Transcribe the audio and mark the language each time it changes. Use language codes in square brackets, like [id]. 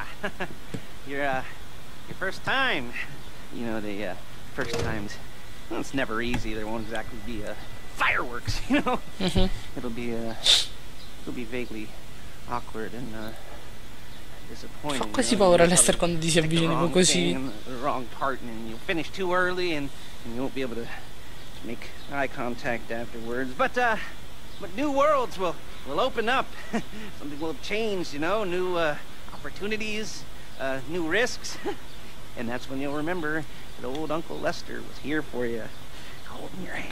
[en] Ah, your first time. You know, the first times. Well, it's never easy. There won't exactly be fireworks, you know. Mm-hmm. It'll be vaguely awkward and disappointing. [it] Fa quasi paura Lester quando ti si avvicina così. [en] Wrong partner, and you finish too early, and you won't be able to make eye contact afterwards. But new worlds will open up. Something will have changed, you know. New opportunities, new risks. And that's when you'll remember that old Uncle Lester was here for you, holding your hand,